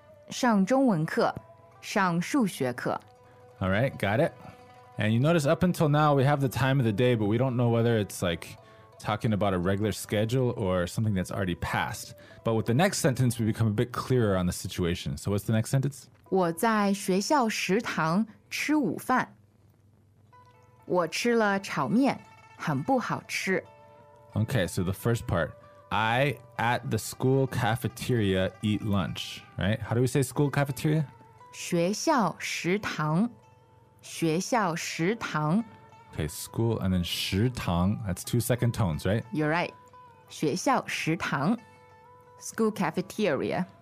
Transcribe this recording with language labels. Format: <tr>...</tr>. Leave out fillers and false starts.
<zh>上中文课, 上数学课.</zh> <en>All right, got it. And you notice up until now, we have the time of the day, but we don't know whether it's like talking about a regular schedule or something that's already passed. But with the next sentence, we become a bit clearer on the situation. So what's the next sentence?</en> <zh>我在学校食堂吃午饭。我吃了炒面,很不好吃。</zh> <en>Okay, so the first part. I, at the school cafeteria, eat lunch, right? How do we say school cafeteria?</en> <zh>学校食堂。学校食堂.</zh> <en>Okay, school and then 食堂.That's 2 second tones, right? You're right.</en> <zh>学校食堂.</zh> <en>School cafeteria.</en>